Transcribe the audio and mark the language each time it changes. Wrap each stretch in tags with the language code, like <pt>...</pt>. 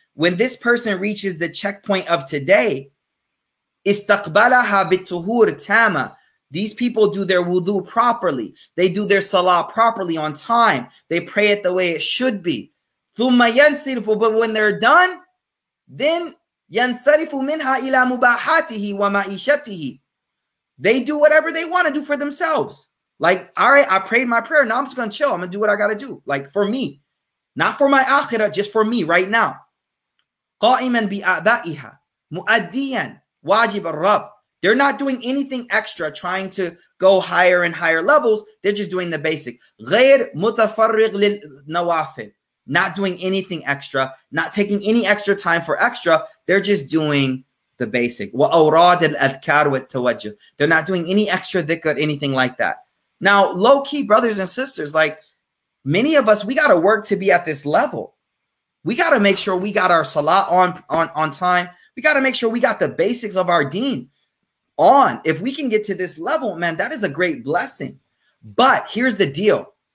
<en>When this person reaches the checkpoint of today,</en> <ar>اسْتَقْبَلَهَا بِالتُّهُورِ تَامًا.</ar> <en>These people do their wudu properly. They do their salah properly on time. They pray it the way it should be.</en> <ar>ثُمَّ يَنْسِلْفُ.</ar> <en>But when they're done, then</en> <ar>ينصرف منها إلى مباحاته ومعيشته.</ar> <en>They do whatever they want to do for themselves. Like, all right, I prayed my prayer. Now I'm just going to chill. I'm going to do what I got to do. Like, for me. Not for my akhirah, just for me right now.</en> <ar>قائماً بأعبائها مؤدياً واجب الرب.</ar> <en>They're not doing anything extra trying to go higher and higher levels. They're just doing the basic.</en> <ar>غير متفرغ للنوافل.</ar> <en>Not doing anything extra. Not taking any extra time for extra. They're just doing the basic.</en> <ar>وأوراد الأذكار والتوجه.</ar> <en>They're not doing any extra dhikr, anything like that. Now, low-key brothers and sisters, like many of us, we got to work to be at this level. We got to make sure we got our salah on time. We got to make sure we got the basics of our deen on. If we can get to this level, man, that is a great blessing. But here's the deal.</en>